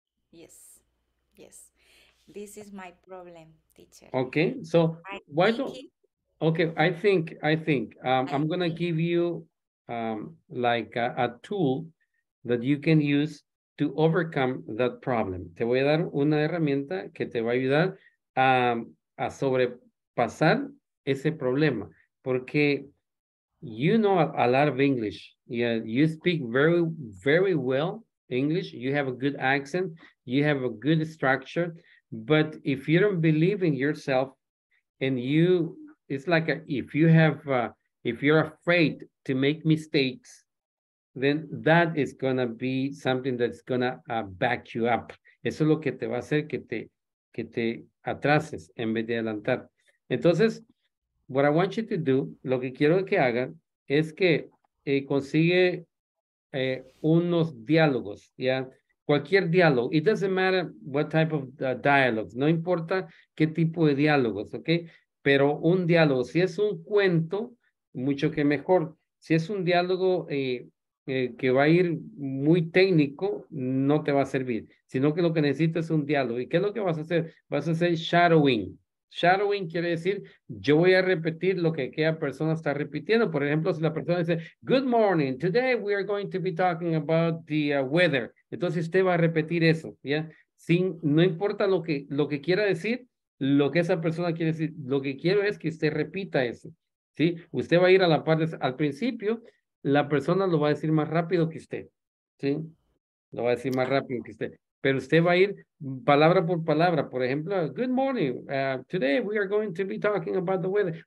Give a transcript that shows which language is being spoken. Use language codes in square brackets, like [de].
[en] Yes. Yes. This is my problem, teacher. Okay. So why don't... Okay, I think I'm going to give you a tool that you can use to overcome that problem. [es] Te voy a dar una herramienta que te va a ayudar a sobrepasar ese problema. [en] Porque you know a lot of English. Yeah, you speak very, very well English. You have a good accent. You have a good structure. But if you don't believe in yourself, and you, it's like a, if you have, if you're afraid to make mistakes, then that is going to be something that's going to back you up. [es] Eso es lo que te va a hacer que te atrases en vez de adelantar. Entonces, [en] what I want you to do, [es] lo que quiero que hagan, es que consigue unos diálogos, ¿ya? Cualquier diálogo. [en] It doesn't matter what type of dialogues. [es] No importa qué tipo de diálogos, ¿ok? Pero un diálogo, si es un cuento, mucho que mejor. Si es un diálogo que va a ir muy técnico, no te va a servir. Sino que lo que necesitas es un diálogo. ¿Y qué es lo que vas a hacer? Vas a hacer shadowing. Shadowing quiere decir, yo voy a repetir lo que aquella persona está repitiendo. Por ejemplo, si la persona dice, [en] good morning, today we are going to be talking about the weather. [es] Entonces usted va a repetir eso, ¿ya? Sin, no importa lo que quiera decir, lo que esa persona quiere decir. Lo que quiero es que usted repita eso, ¿sí? Usted va a ir a la parte, al principio, la persona lo va a decir más rápido que usted, ¿sí? Lo va a decir más rápido que usted. Pero usted va a ir palabra por palabra. Por ejemplo, [en] good morning. Today we are going to be talking about the weather.